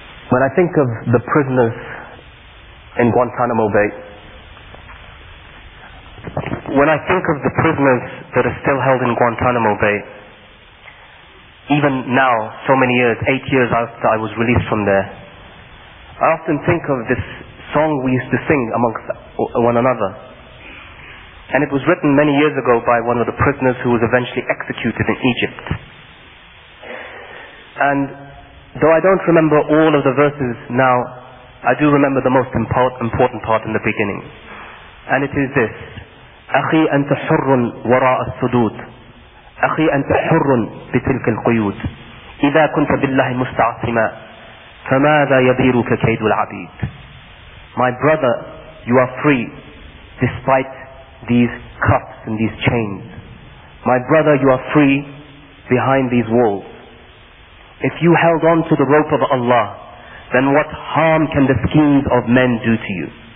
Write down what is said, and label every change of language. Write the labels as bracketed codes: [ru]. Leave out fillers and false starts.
[en] When I think of the prisoners in Guantanamo Bay, when I think of the prisoners that are still held in Guantanamo Bay, even now, so many years, 8 years after I was released from there, I often think of this song we used to sing amongst one another. And it was written many years ago by one of the prisoners who was eventually executed in Egypt. And though I don't remember all of the verses now, I do remember the most important part in the beginning. And it is this: [ar] أخي أنت حر وراء السدود أخي أنت حر بتلك القيود إذا كنت بالله مستعصما فماذا يديرك كيد العبيد. [en] My brother, you are free despite these cuffs and these chains. My brother, you are free behind these walls. If you held on to the rope of Allah, then what harm can the schemes of men do to you?